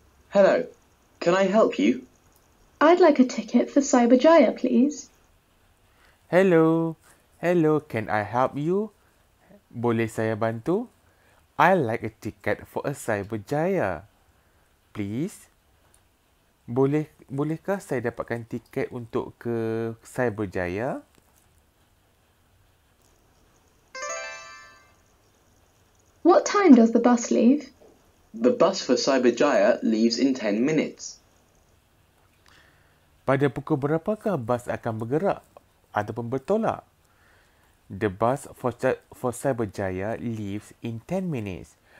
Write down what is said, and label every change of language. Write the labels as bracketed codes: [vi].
[en] Hello. Can I help you? I'd like a ticket for Cyberjaya, please. Hello. Hello, can I help you? [ms] Boleh saya bantu? [en] I'd like a ticket for a Cyberjaya. Please. [ms] Bolehkah saya dapatkan tiket untuk ke Cyberjaya? [en] What time does the bus leave? The bus for Cyberjaya leaves in 10 minutes. [ms] Pada pukul berapakah bus akan bergerak ataupun bertolak? [en] The bus for Cyberjaya leaves in 10 minutes.